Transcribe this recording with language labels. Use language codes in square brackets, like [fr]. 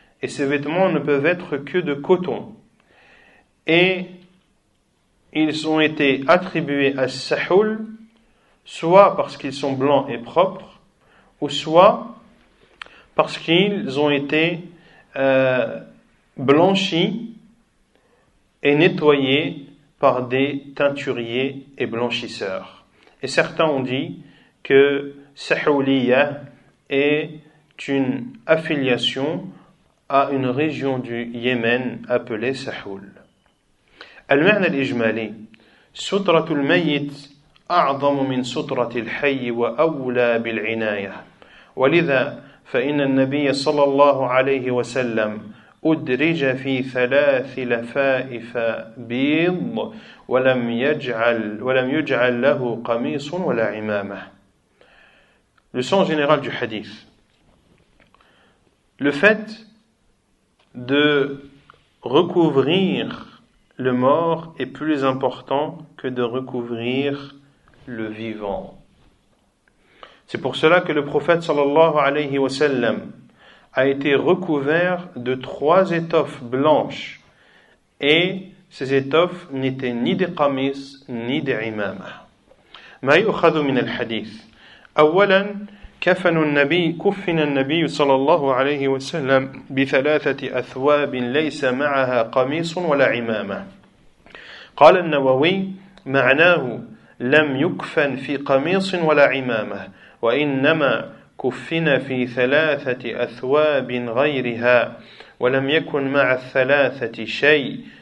[fr] Et ces vêtements ne peuvent être que de coton. Et ils ont été attribués à Sahoul, soit parce qu'ils sont blancs et propres, ou soit parce qu'ils ont été blanchis et nettoyés par des teinturiers et blanchisseurs. Et certains ont dit que Sahouliya est une affiliation à une région du Yémen appelée Sahoul. [ar] المعنى الإجمالي سترة الميت أعظم من سترة الحي وأولى بالعناية ولذا فإن النبي صلى الله عليه وسلم أدرج في ثلاث لفائف بيض ولم يجعل له قميص ولا عمامة. [fr] Le sens général du hadith. Le fait de recouvrir le mort est plus important que de recouvrir le vivant. C'est pour cela que le prophète sallallahu alayhi wa sallam a été recouvert de trois étoffes blanches et ces étoffes n'étaient ni des qamis ni des imamah. [ar] Ma yukhadhu min al-hadith. Awalan, كفن النبي كفن النبي صلى الله عليه وسلم بثلاثة أثواب ليس معها قميص ولا عمامة. قال النووي معناه لم يكفن في قميص ولا عمامة وإنما كفن في ثلاثة أثواب غيرها ولم يكن مع الثلاثة شيء